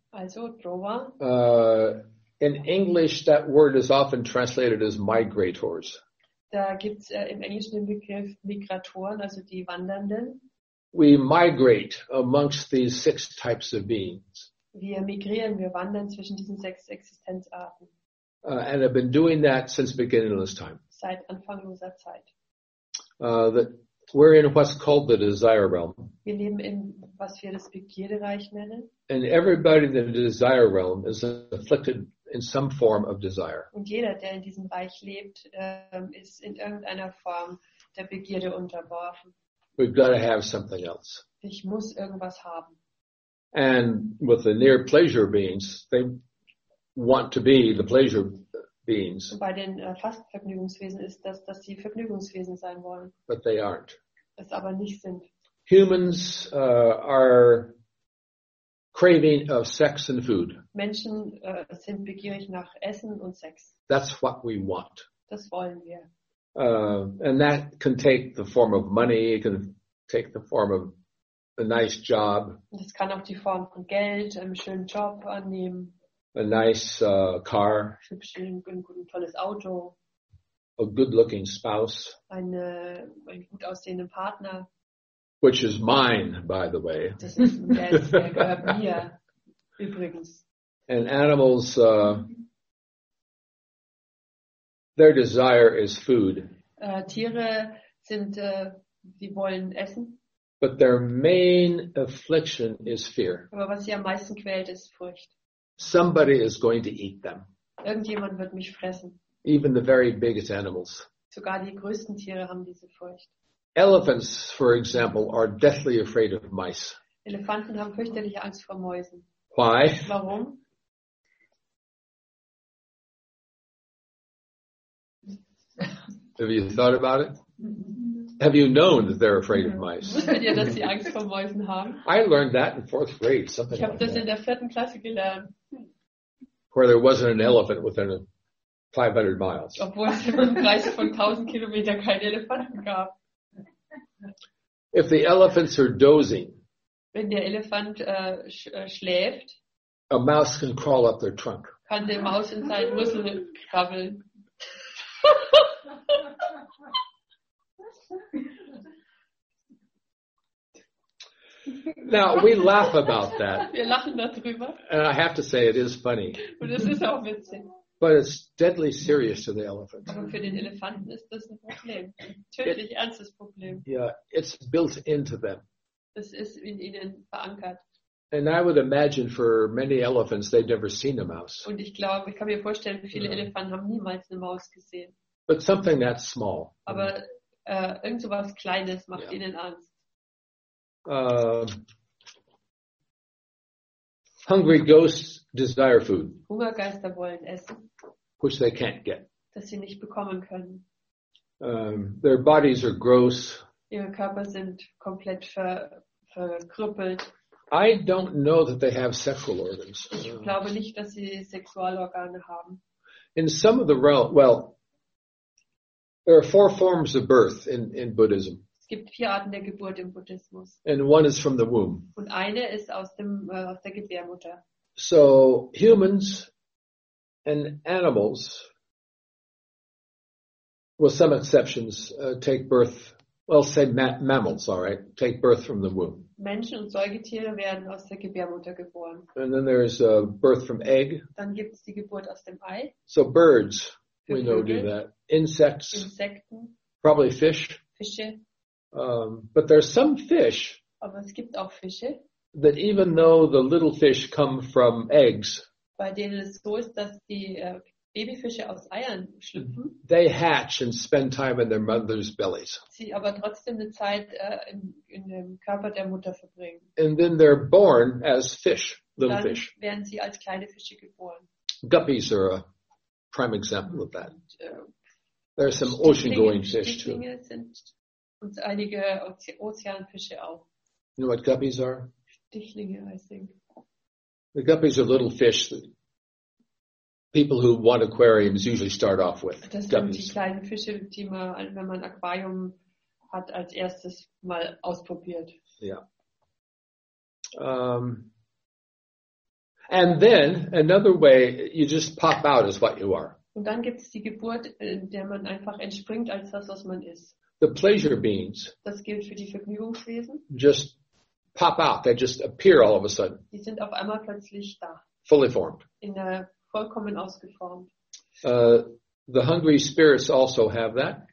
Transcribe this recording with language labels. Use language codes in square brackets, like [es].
[de] Also Drowa. [en] In English, that word is often translated as migrators. [de] Da gibt's im Englischen den Begriff Migratoren, also die Wandernden. [en] We migrate amongst these six types of beings. [de] Wir migrieren, wir wandern zwischen diesen sechs Existenzarten. [en] And I've been doing that since beginningless time. [de] Seit anfangloser Zeit. [en] We're in what's called the desire realm. [de] Wir leben in was wir das Begierdereich nennen. [en] And everybody in the desire realm is afflicted in some form of desire. [de] Und jeder, der in diesem Reich lebt, ist in irgendeiner Form der Begierde unterworfen. [en] We've got to have something else. [de] Ich muss irgendwas haben. [en] And with the near pleasure beings, they want to be the pleasure beings. [de] Und bei den Fastvergnügungswesen ist das, dass sie Vergnügungswesen sein wollen. [en] But they aren't. [de] Es aber nicht sind. [en] Humans are craving of sex and food. [de] Menschen sind begierig nach Essen und Sex. [en] That's what we want. [de] Das wollen wir. [en] And that can take the form of money, it can take the form of a nice job. [de] Das kann auch die Form von Geld, einem schönen Job annehmen. [en] A nice car. [de] Ein tolles Auto. [en] A good-looking spouse. [de] Ein gut aussehender Partner. [en] Which is mine, by the way. [de] Das ist mir, übrigens. [en] And animals, their desire is food. [de] Tiere sind, sie wollen essen. [en] But their main affliction is fear. [de] Aber was sie am meisten quält, ist Furcht. [en] Somebody is going to eat them. [de] Irgendjemand wird mich fressen. [en] Even the very biggest animals. [de] Sogar die größten Tiere haben diese Furcht. [en] Elephants, for example, are deathly afraid of mice. [de] Elefanten haben fürchterliche Angst vor Mäusen. [en] Why? [de] Warum? [en] Have you thought about it? Have you known that they're afraid of mice? [de] Wusstet ihr, dass sie Angst vor Mäusen haben? [en] I learned that in fourth grade, something [de] ich [en] like [de] das [en] that. [de] In der vierten Klasse gelernt. [en] Where there wasn't an elephant within 500 miles. [de] Obwohl es im Kreis von 1000 Kilometern keine Elefanten gab. [en] If the elephants are dozing, [de] wenn der Elefant schläft, [en] a mouse can crawl up their trunk. [de] Kann der Maus in seinen Rüssel krabbeln. [en] Now we laugh about that. [de] Wir lachen darüber. [en] And I have to say it is funny. [de] Und es ist auch witzig. [en] But it's deadly serious to the elephant. [de] Aber für den Elefanten ist das ein Problem. Tödlich ernstes Problem. [en] Yeah, it's built into them. [de] Das ist in ihnen verankert. [en] And I would imagine for many elephants they've never seen a mouse. [de] Und ich glaube, ich kann mir vorstellen, viele Elefanten haben niemals eine Maus gesehen. [en] But something that small. [de] Aber irgend so was Kleines macht ihnen Angst. [en] Hungry ghosts desire food. [de] Hungergeister wollen essen. [en] Which they can't get. [de] Das sie nicht bekommen können. [en] Their bodies are gross. [de] Ihre Körper sind komplett verkrüppelt. [en] I don't know that they have sexual organs. [de] Ich glaube nicht, dass sie Sexualorgane haben. [en] In some of the realm, well, there are four forms of birth in Buddhism. [de] Es gibt vier Arten der Geburt im Buddhismus. [en] And one is from the womb. [de] Und eine ist aus der Gebärmutter. [en] So humans and animals, with some exceptions, take birth. Well, say mammals, all right, take birth from the womb. [de] Menschen und Säugetiere werden aus der Gebärmutter geboren. [en] And then there's a birth from egg. [de] Dann gibt es die Geburt aus dem Ei. [en] So birds, we know do that. Insects. [de] Insekten. [en] Probably fish. [de] Fische. [en] But there's some fish. [de] Aber es gibt auch Fische. [en] That even though the little fish come from eggs. [de] Bei denen es so ist, dass die Babyfische aus Eiern schlüpfen. [en] They hatch and spend time in their mother's bellies. [de] Sie aber trotzdem eine Zeit in dem Körper der Mutter verbringen. [en] And then they're born as fish, little [de] dann [en] fish. [de] Dann werden sie als kleine Fische geboren. [en] Guppies are a prime example of that. There are some ocean-going fish too. [de] Und einige Ozeanfische auch. [en] You know what guppies are? [de] Stichlinge, [en] I think. The guppies are little fish that people who want aquariums usually start off with. [de] Das sind guppies. Die kleinen Fische, die man, wenn man Aquarium hat, als erstes mal ausprobiert. [en] Yeah. And then another way you just pop out is what you are. [de] Und dann gibt es die Geburt, in der man einfach entspringt als das, was man ist. [en] The pleasure beings. [de] Das gilt für die Vergnügungswesen. [en] Just pop out. They just appear all of a sudden. [de] Die sind auf einmal plötzlich da. [en] Fully formed. [de] In der vollkommen ausgeformt. [en] The hungry spirits also have that.